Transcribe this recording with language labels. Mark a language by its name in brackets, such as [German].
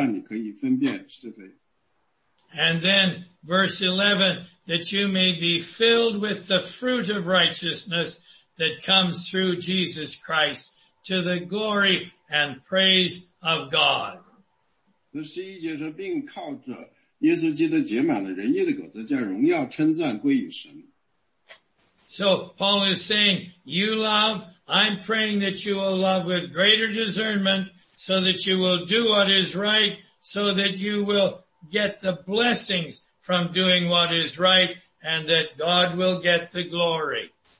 [Chinese] 爱是能够分辨是非的。爱是做，知道去做什么，好的事情可以，最好的事情可以做，是做什么不该做的事情，去做一些，最后让你可以分辨是非。 [English] And then verse 11, that you may be filled with the fruit of righteousness that comes through Jesus Christ to the glory and praise of God. [Chinese] 11节说，并靠着耶稣基督结满了仁义的果子，叫荣耀称赞归于神。 [English] So Paul is saying, you love, I'm praying that you will love with greater discernment so that you will do what is right, so that you will get the blessings from doing what is right, and that God will get the glory.